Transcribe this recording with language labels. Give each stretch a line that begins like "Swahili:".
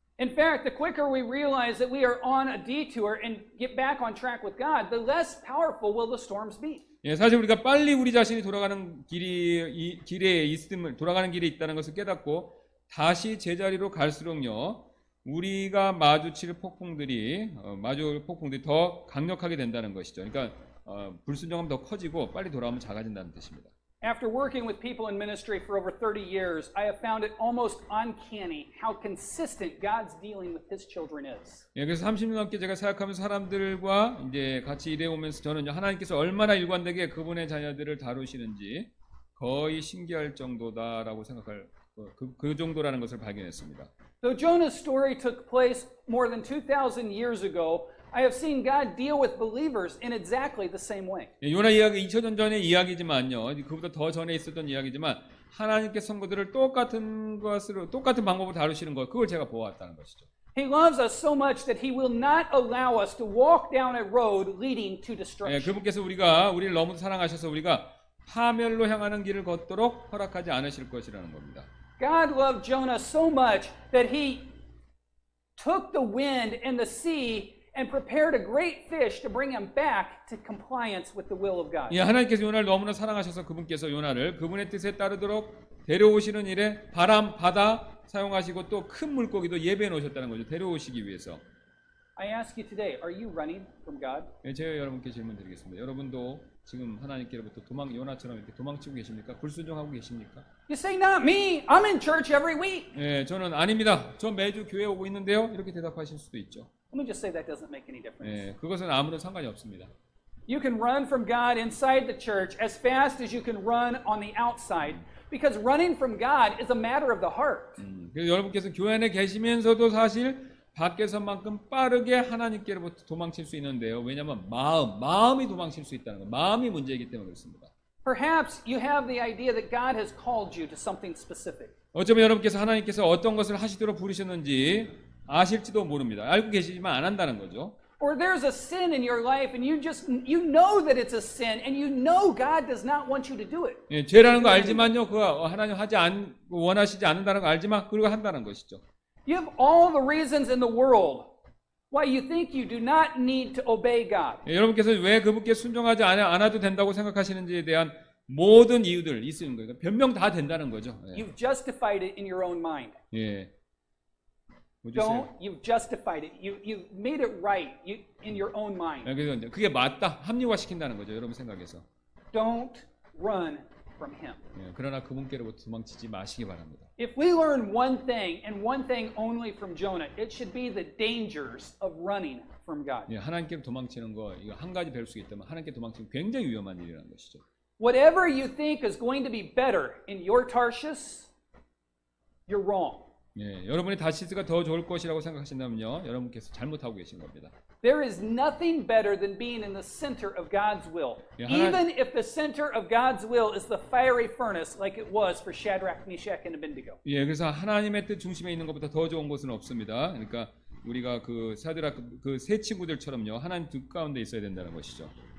English: In fact, the quicker we realize that we are on a detour and get back on track with God, the less powerful will the storms be.
Korean: 예, 사실 우리가 빨리 우리 자신이 돌아가는 길에 있다는 것을 깨닫고 다시 제자리로 갈수록요. 우리가 마주칠 폭풍들이 더 강력하게 된다는 것이죠. 그러니까 불순종함 더 커지고 빨리 돌아오면 작아진다는 뜻입니다.
English: After working with people in ministry for over 30 years, I have found it almost uncanny how consistent God's dealing with His children is.
Korean: 예, 그래서 30년 넘게 제가 사역하면서 사람들과 이제 같이 일해 오면서 저는 하나님께서 얼마나 일관되게 그분의 자녀들을 다루시는지 거의 신기할 정도다라고 생각할 그 정도라는 것을 발견했습니다.
English: So Jonah's story took place more than 2,000 years ago. I have seen God deal with believers in exactly the same way.
Korean: 요나 이야기 2000년 전의 이야기지만요. 그보다 더 전에 있었던 이야기지만 하나님께 성도들을 똑같은 것으로 똑같은 방법으로 다루시는 것 그걸 제가 보았다는 것이죠.
English: He loves us so much that he will not allow us to walk down a road leading to destruction.
Korean: 그분께서 우리가 우리를 너무 사랑하셔서 우리가 파멸로 향하는 길을 걷도록 허락하지 않으실 것이라는 겁니다.
English: God loved Jonah so much that he took the wind and the sea and prepared a great fish to bring him back to compliance with the will of God.
Korean: 예, 하나님께서 요나를 너무나 사랑하셔서 그분께서 요나를 그분의 뜻에 따르도록 데려오시는 일에 바람, 바다 사용하시고 또 큰 물고기도 예배해 놓으셨다는 거죠. 데려오시기 위해서.
English: I ask you today, are you running from God?
Korean: 예, 제가 여러분께 질문 드리겠습니다. 여러분도 지금 하나님께로부터 도망 요나처럼 이렇게 도망치고 계십니까? 불순종하고 계십니까?
English: You say not me. I'm in church every week.
Korean: 예, 저는 아닙니다. 저 매주 교회 오고 있는데요. 이렇게 대답하실 수도 있죠.
English: Let me just say that doesn't make any difference.
Korean: 예, 그것은 아무런 상관이 없습니다.
English: You can run from God inside the church as fast as you can run on the outside because running from God is a matter of the heart.
Korean: 그래서 여러분께서 교회 안에 계시면서도 사실 밖에서만큼 빠르게 하나님께로부터 도망칠 수 있는데요. 왜냐하면 마음이 도망칠 수 있다는 거예요. 마음이 문제이기 때문에 그렇습니다.
English: Perhaps you have the idea that God has called you to something specific.
Korean: 어쩌면 여러분께서 하나님께서 어떤 것을 하시도록 부르셨는지 아실지도 모릅니다. 알고 계시지만 안 한다는 거죠.
English: Or there's a sin in your life and you know that it's a sin and you know God does not want you to do it.
Korean: 예, 죄라는 거 알지만요. 그거 하나님 원하시지 않는다는 거 알지만 그리고 한다는 것이죠.
English: You have all the reasons in the world why you think you do not need to obey God.
Korean: 예, 여러분께서 왜 그분께 순종하지 않아도 된다고 생각하시는지에 대한 모든 이유들 있으신 거예요. 변명 다 된다는 거죠. 예.
English: You've justified it in your own mind.
Korean: 예.
English: Don't you've justified it. You've made it right in your own mind.
Korean: 예, 그래서 그게 맞다. 합리화시킨다는 거죠. 여러분 생각에서.
English: Don't run from him.
Korean: 예, 그러나 그분께로부터 도망치지 마시기 바랍니다.
English: If we learn one thing and one thing only from Jonah, it should be the dangers of running from God.
Korean: 예, 하나님께 도망치는 거 이거 한 가지 배울 수 있다면 하나님께 도망치는 굉장히 위험한 일이라는 것이죠.
English: Whatever you think is going to be better in your Tarshish, you're wrong.
Korean: 예, 여러분이 다시스가 더 좋을 것이라고 생각하신다면요, 여러분께서 잘못하고 계신 겁니다.
English: There is nothing better than being in the center of God's will.
Korean: 예, 하나...
English: Even if the center of God's will is the fiery furnace like it was for Shadrach, Meshach, and Abednego.
Korean: 예, 그래서 하나님의 뜻 중심에 있는 것보다 더 좋은 곳은 없습니다. 그러니까 우리가 그 사드락 그 세 친구들처럼요, 하나님 뜻 가운데 있어야 된다는 것이죠.